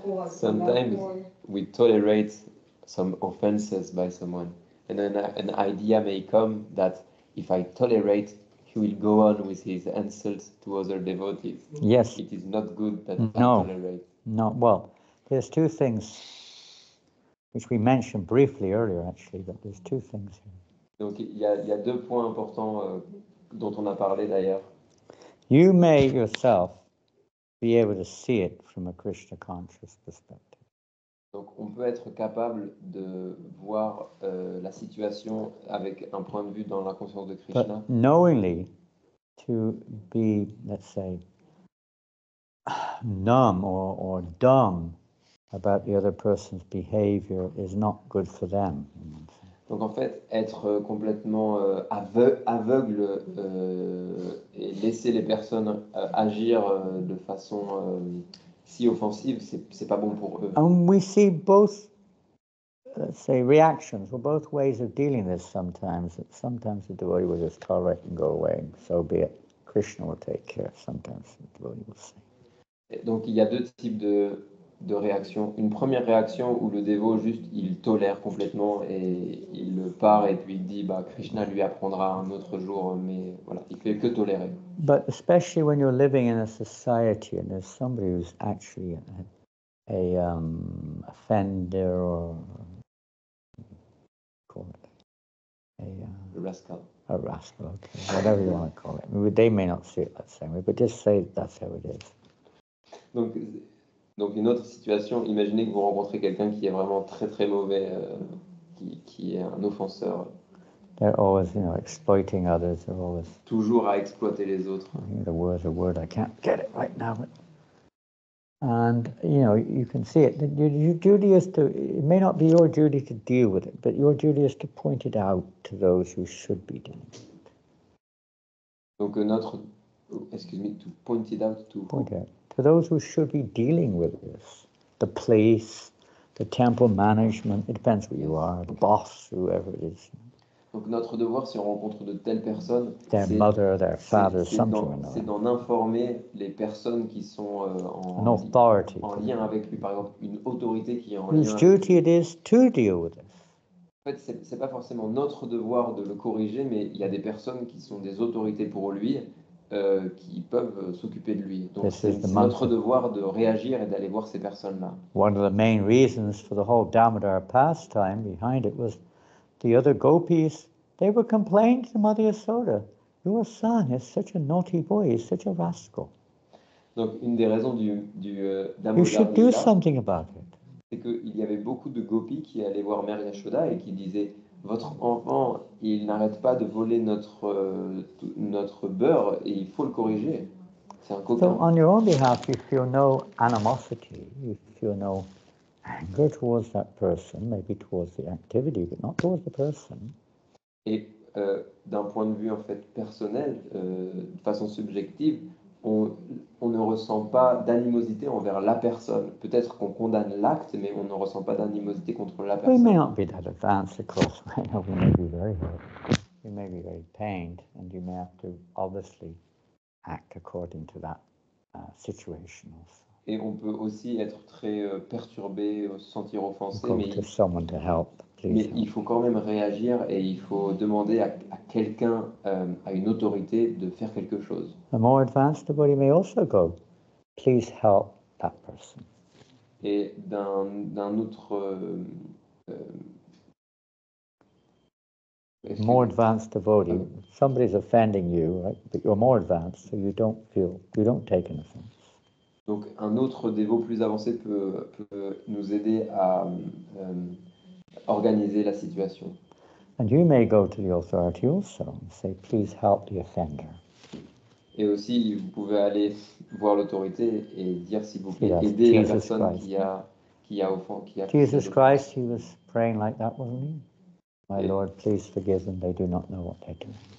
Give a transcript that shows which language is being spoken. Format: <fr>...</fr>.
<en>Sometimes we tolerate some offenses by someone, and then an idea may come that if I tolerate, he will go on with his insults to other devotees. Yes. It is not good that no. I tolerate. No. Well, there's two things which we mentioned briefly earlier, actually, but there's two things here.</en> <fr>Donc il y a deux points importants dont on a parlé d'ailleurs.</fr> <en>You may yourself be able to see it from a Krishna conscious perspective.</en> <fr>Donc on peut être capable de voir la situation avec un point de vue dans la conscience de Krishna.</fr> <en>But knowingly, to be, let's say, numb or dumb about the other person's behavior is not good for them.</en> <fr>Donc en fait, être complètement aveugle et laisser les personnes agir de façon si offensive, c'est pas bon pour eux.</fr> <en>And we see both, let's say, reactions, or both ways of dealing this sometimes. Sometimes the devotee will just tolerate and go away, and so be it. Krishna will take care. Sometimes the devotee will say.</en> <fr>Donc il y a deux types de réactions. Une première réaction où le dévot juste il tolère complètement et il le part et lui dit bah Krishna lui apprendra un autre jour, mais voilà, il fait que tolérer.</fr> <en>But especially when you're living in a society and there's somebody who's actually a offender or call it a rascal. A rascal, okay. Whatever you want to call it. They may not see it that same way, but just say that's how it is.</en> <fr>Donc une autre situation, imaginez que vous rencontrez quelqu'un qui est vraiment très très mauvais, qui est un offenseur.</fr> <en>They're always, you know, exploiting others. They're always</en> <fr>toujours à exploiter les autres.</fr> <en>The word is a word, I can't get it right now. And, you know, you can see it. Your duty is to, it may not be your duty to deal with it, but your duty is to point it out to those who should be dealing with it.</en> <fr>Donc notre,</fr> <en>excuse me, to point it out to point it out. To those who should be dealing with this, the police, the temple management, it depends who you are, the boss, whoever it is.</en> <fr>Donc notre devoir, si on rencontre de telles personnes,</fr> <en>their</en> <fr>c'est,</fr> <en>mother, their father,</en> <fr>c'est d'en informer les personnes qui sont en lien avec lui, par exemple, une autorité qui est en</fr> <en>whose</en> <fr>lien</fr> <en>duty</en> <fr>avec lui.</fr> <en>It is to deal with this.</en> <fr>En fait, c'est pas forcément notre devoir de le corriger, mais il y a des personnes qui sont des autorités pour lui, qui peuvent s'occuper de lui. Donc c'est notre devoir de réagir et d'aller voir ces personnes-là.</fr> <en>One of the main reasons for the whole Damodar pastime behind it was the other gopis, they were complaining to Mother Yasoda, your son is such a naughty boy, he's such a rascal.</en> <fr>Donc une des raisons du</fr> <en>you should do something about it.</en> <fr>C'est qu'il y avait beaucoup de gopis qui allaient voir Mère Yasoda et qui disaient, votre enfant, il n'arrête pas de voler notre beurre et il faut le corriger. C'est un coquin.</fr> <en>So on your own behalf, you feel no animosity, you feel no anger towards that person, maybe towards the activity, but not towards the person.</en> <fr>Et d'un point de vue en fait personnel, de façon subjective, on ne ressent pas d'animosité envers la personne. Peut-être qu'on condamne l'acte, mais on ne ressent pas d'animosité contre la personne.</fr> <en>We may not be that advanced, of course. We may be very hurt. We may be very pained, and you may have to obviously act according to that situation also.</en> <fr>Et on peut aussi être très perturbé, se sentir offensé, mais il faut quand même réagir et il faut demander à quelqu'un, à une autorité, de faire quelque chose.</fr> <en>The more advanced the body may also go, please help that person.</en> <fr>Et d'un autre...</fr> <en>More advanced devotee, somebody's offending you, right? But you're more advanced, so you don't take an offense.</en> <fr>Donc un autre dévot plus avancé peut nous aider à organiser la situation.</fr> <en>And you may go to the authority also and say, please help the offender.</en> <fr>Et aussi, vous pouvez aller voir l'autorité et dire, s'il vous plaît, aider</fr> <en>Jesus</en> <fr>la personne</fr> <en>Christ.</en> <fr>qui a</fr> <en>Jesus Christ, he was praying like that, wasn't he? My Lord, please forgive them, they do not know what they're doing.</en>